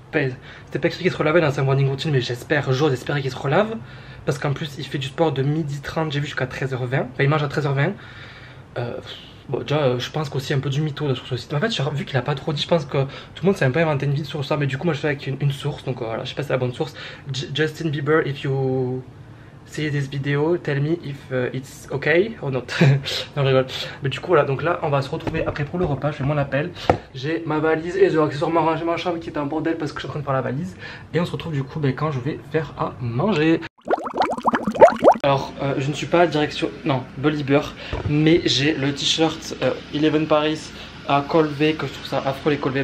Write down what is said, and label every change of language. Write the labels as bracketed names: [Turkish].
[French] C'était pas écrit qu'il se relavait dans sa morning routine, mais j'espère, j'ose espérer qu'il se relave. Parce qu'en plus, il fait du sport de 12h30, j'ai vu jusqu'à 13h20. Enfin, il mange à 13h20. Bon, déjà, je pense qu'aussi un peu du mytho sur ce site. Mais en fait, vu qu'il a pas trop dit, je pense que tout le monde s'est un peu inventé une vie sur ça. Mais du coup, moi, je fais avec une source, donc voilà, je sais pas si c'est la bonne source. [English] Justin Bieber, if you see this video, tell me if it's okay or not. [French] Non, je rigole. Mais du coup, voilà, donc là, on va se retrouver après pour le repas. Je fais mon appel. J'ai ma valise et je vais accessoirement ranger ma chambre qui est un bordel parce que je suis en train de faire la valise. Et on se retrouve du coup ben, quand je vais faire à manger. Alors, je ne suis pas direction. Non, Bolibur. Mais j'ai le t-shirt Eleven Paris à Colvay, que je trouve ça affreux les Colvay.